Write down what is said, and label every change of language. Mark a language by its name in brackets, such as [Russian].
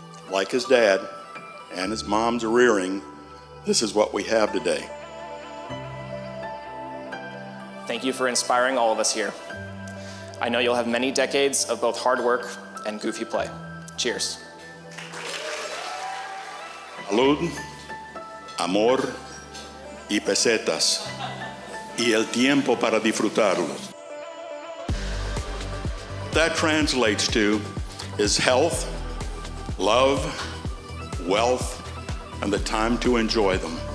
[English] Like his dad and his mom's rearing, this is what we have today. Thank you for inspiring all of us here. I know you'll have many decades of both hard work and goofy play. Cheers. [Spanish] Salud, amor, y pesetas, y el tiempo para disfrutarlos. [English] That translates to is health, love, wealth, and the time to enjoy them.